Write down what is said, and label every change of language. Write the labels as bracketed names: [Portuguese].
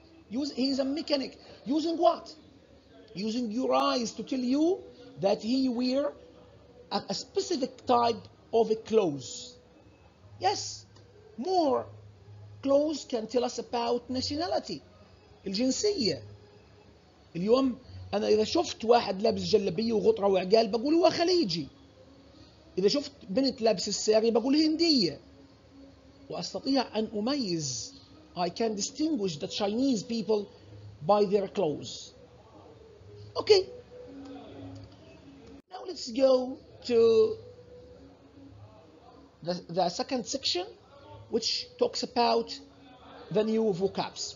[English] He is a mechanic. Using what? Using your eyes to tell you that he wear a specific type of a clothes. Yes, more clothes can tell us about nationality. [Arabic] الجنسية. اليوم أنا إذا شفت واحد لابس جلابية وغطرة وعقال بقول هو خليجي. إذا شفت بنت لابس الساري بقول هندية. وأستطيع أن أميز. [English] I can distinguish the Chinese people by their clothes. Okay. Now let's go to the second section, which talks about the new vocabs.